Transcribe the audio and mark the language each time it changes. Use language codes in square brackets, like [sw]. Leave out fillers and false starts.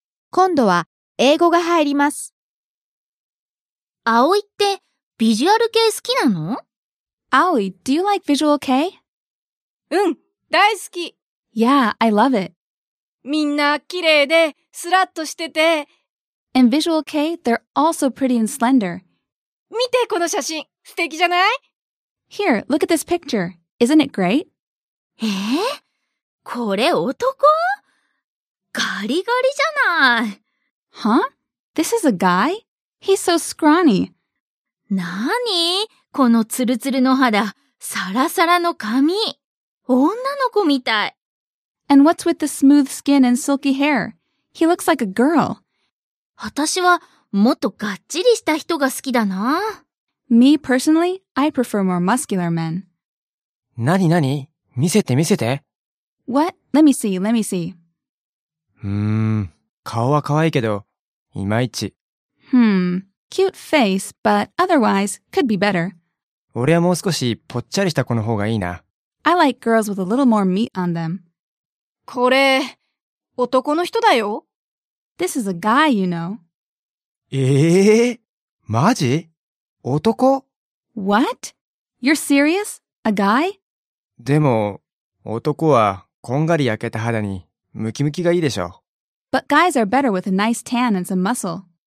[ja] 今度は英語が入ります。葵ってビジュアル系好きなの？ [en] 葵、do you like visual K? [ja] うん、大好き。 [en] Yeah, I love it. [ja] みんな綺麗でスラッとしてて。 [en] And visual K, they're also pretty and slender. [ja] 見てこの写真、素敵じゃない？ [en] Here, look at this picture. Isn't it great? [ja] これ男？ガリガリじゃない。 [en] Huh? This is a guy? He's so scrawny. [ja] 何？このツルツルの肌、サラサラの髪。女の子みたい。 [en] And what's with the smooth skin and silky hair? He looks like a girl. [ja] 私はもっとがっちりした人が好きだな。 [en] Me personally, I prefer more muscular men. [ja] 何何？見せて見せて。 [en] What? Let me see, let me see. [ja] 顔は可愛いけど、いまいち。 [en] Cute face, but otherwise, could be better. [ja] 俺はもう少しぽっちゃりした子の方がいいな。 [en] I like girls with a little more meat on them. [ja] これ、男の人だよ。 [en] This is a guy, you know. [ja] マジ？男？ [en] What? You're serious? A guy? [ja] でも、男はこんがり焼けた肌にムキムキがいいでしょ。 [en] But guys are better with a nice tan and some muscle.